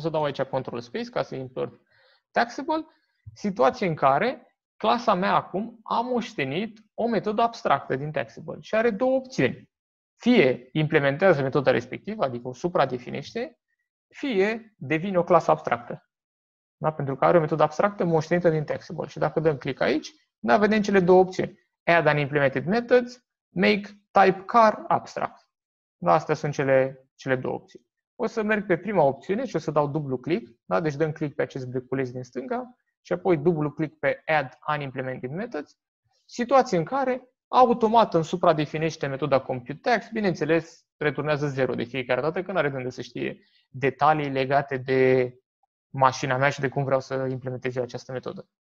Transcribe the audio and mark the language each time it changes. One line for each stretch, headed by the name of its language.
Romanian: O să dau aici control space ca să import taxable. Situație în care clasa mea acum a moștenit o metodă abstractă din taxable și are două opțiuni. Fie implementează metoda respectivă, adică o supra-definește, fie devine o clasă abstractă. Da? Pentru că are o metodă abstractă moștenită din taxable. Și dacă dăm click aici, da, vedem cele două opțiuni.
English: Add an implemented methods, make type car abstract.
Romanian: Da, astea sunt cele două opțiuni. O să merg pe prima opțiune și o să dau dublu click. Da? Deci dăm click pe acest beculeț din stânga și apoi dublu click pe add unimplemented methods. Situație în care automat în supra-definește metoda computeTax, bineînțeles, returnează 0 de fiecare dată, că nu are de unde să știe detalii legate de mașina mea și de cum vreau să implementez eu această metodă.